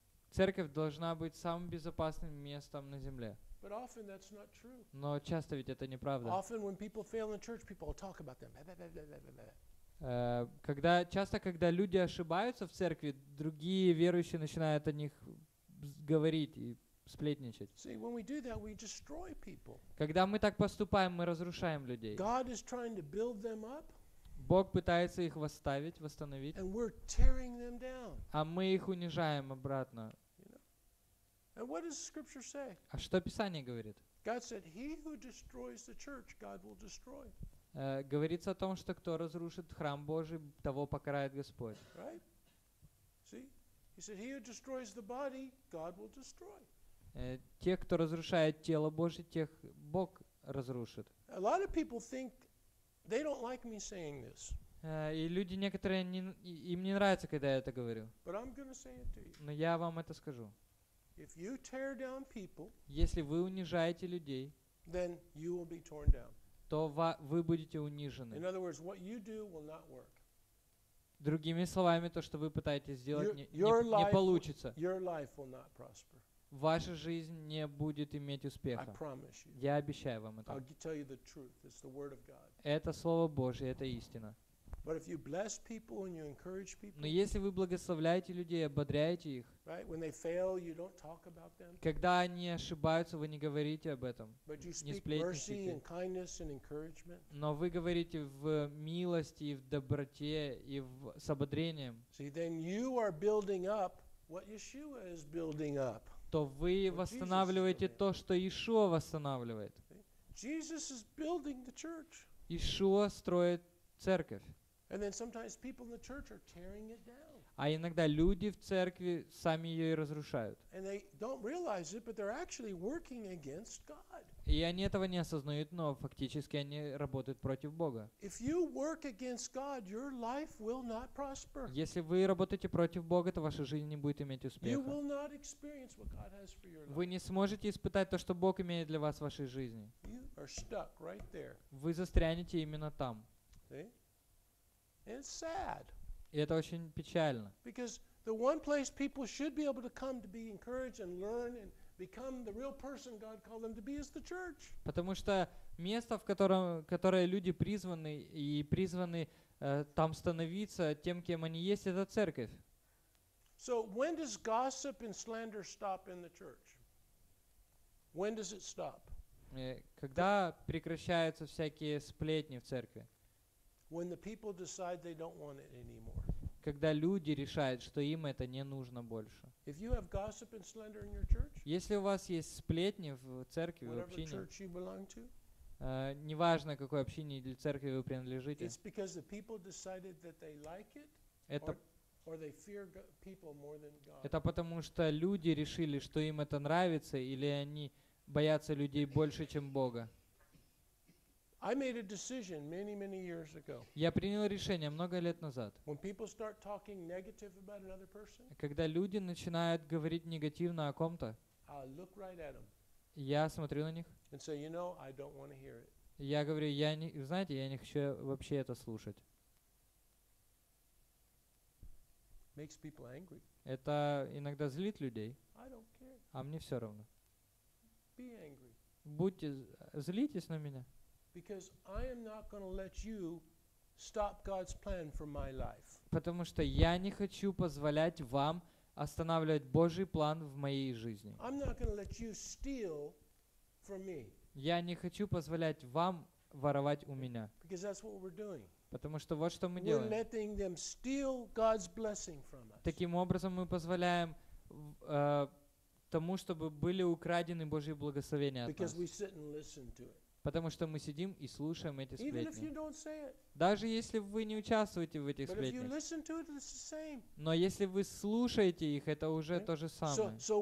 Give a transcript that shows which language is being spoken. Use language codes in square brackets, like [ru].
[ru] Церковь должна быть самым безопасным местом на земле. [en] But often that's not true. [ru] Но часто ведь это неправда. [en] Often when people fail in church, people talk about them. [ru] Когда часто, когда люди ошибаются в церкви, другие верующие начинают о них говорить и сплетничать. [en] See, when we do that, we destroy people. [ru] Когда мы так поступаем, мы разрушаем людей. [en] God is trying to build them up. [ru] Бог пытается их восставить, восстановить. [en] And we're tearing them down. [ru] А мы их унижаем обратно. [en] And what does Scripture say? [ru] А что Писание говорит? [en] God said, "He who destroys the church, God will destroy." [ru] Говорится о том, что кто разрушит храм Божий, того покарает Господь. [en] Right? See? He said, "He who destroys the body, God will destroy." [ru] Те, кто разрушает тело Божие, тех Бог разрушит. [en] A lot of people think they don't like me saying this. [ru] И люди некоторые не, им не нравится, когда я это говорю. [en] But I'm going to say it to you. [ru] Но я вам это скажу. [en] If you tear down people, [ru] если вы унижаете людей, [en] then you will be torn down. [ru] То вы будете унижены. [en] In other words, what you do will not work. [ru] Другими словами, то, что вы пытаетесь сделать, не получится. [en] Your life will not prosper. [ru] Ваша жизнь не будет иметь успеха. [en] I promise you. [ru] Я обещаю вам это. [en] I'll tell you the truth. It's the word of God. [ru] Это Слово Божье, это истина. [en] But if you bless people and you encourage people, [ru] но если вы благословляете людей, ободряете их, [en] right? When they fail, you don't talk about them. [ru] Когда они ошибаются, вы не говорите об этом. [en] But you speak mercy and kindness and encouragement. [ru] Но вы говорите в милости, в доброте и в с ободрением. [en] See, then you are building up what Yeshua is building up. [ru] То вы восстанавливаете то, что Иешуа восстанавливает. [en] Jesus is building the church. [ru] Иешуа строит церковь. [en] And then sometimes people in the church are tearing it down. [ru] А иногда люди в церкви сами ее и разрушают. [en] And they don't realize it, but they're actually working against God. [ru] И они этого не осознают, но фактически они работают против Бога. [en] If you work against God, your life will not prosper. [ru] Если вы работаете против Бога, то ваша жизнь не будет иметь успеха. [en] You will not experience what God has for your life. [ru] Вы не сможете испытать то, что Бог имеет для вас в вашей жизни. [en] You are stuck right there. [ru] Вы застрянете именно там. [en] See? It's sad. [ru] И это очень печально. [en] Because the one place people should be able to come to be encouraged and learn and become the real person God called them to be is the church. [ru] Потому что место, в котором, которое люди призваны и призваны там становиться тем, кем они есть, это церковь. [en] So when does gossip and slander stop in the church? When does it stop? [ru] Когда прекращаются всякие сплетни в церкви? [en] When the people decide they don't want it anymore. [ru] Когда люди решают, что им это не нужно больше. [en] If you have gossip and slander in your church, [ru] если у вас есть сплетни в церкви, [en] whatever [ru] в общине, [en] church you belong to, [ru] неважно, какой общине или церкви вы принадлежите, [en] it's because the people decided that they like it, or they fear people more than God. [ru] Это потому, что люди решили, что им это нравится, или они боятся людей больше, чем Бога. [en] I made a decision many, many years ago. [ru] Я принял решение много лет назад. [en] When people start talking negative about another person, [ru] когда люди начинают говорить негативно о ком-то, [en] I look right at them. [ru] Я смотрю на них. [en] And say, you know, I don't want to hear it. [ru] Я говорю, я не хочу вообще это слушать. [en] Makes people angry. [ru] Это иногда злит людей. [en] I don't care. [ru] А мне все равно. [en] Be angry. [ru] Будьте, злитесь на меня. [en] Because I am not going to let you stop God's plan for my life. [ru] Потому что я не хочу позволять вам останавливать Божий план в моей жизни. [en] I'm not going to let you steal from me. [ru] Я не хочу позволять вам воровать у меня. [en] Because that's what we're doing. [ru] Потому что вот что мы [en] we're [ru] делаем. [en] We're letting them steal God's blessing from us. [ru] Таким образом мы позволяем тому, чтобы были украдены Божьи благословения от нас. [en] Because we sit and listen to it. [ru] Потому что мы сидим и слушаем эти сплетни. Даже если вы не участвуете в этих сплетнях. Но если вы слушаете их, это уже то же самое.